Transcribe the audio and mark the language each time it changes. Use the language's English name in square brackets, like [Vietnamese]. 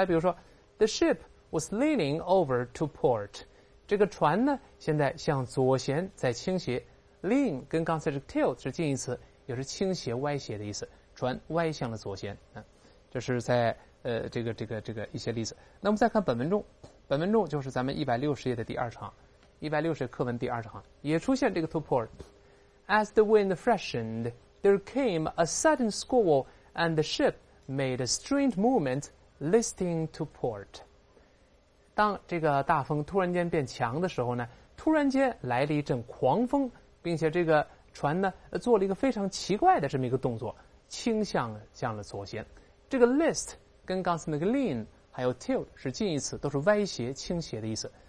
[Chinese] 再比如说 [English] the ship was leaning over to port， [Chinese] 这个船呢现在向左舷在倾斜， lean 跟刚才这个 tilt 是近义词，也是倾斜歪斜的意思，船歪向了左舷啊。这是在这个一些例子。那我们再看本文中，本文中就是咱们160页的第二场，160课文第二场也出现这个 to port。 [English] As the wind freshened there came a sudden squall and the ship made a strange movement listing to port。 [Chinese] 当这个大风突然间变强的时候呢，突然间来了一阵狂风，并且这个船呢做了一个非常奇怪的这么一个动作，倾向向了左舷。这个 list跟刚才那个 lean 还有 tilt 是近义词，都是歪斜倾斜的意思。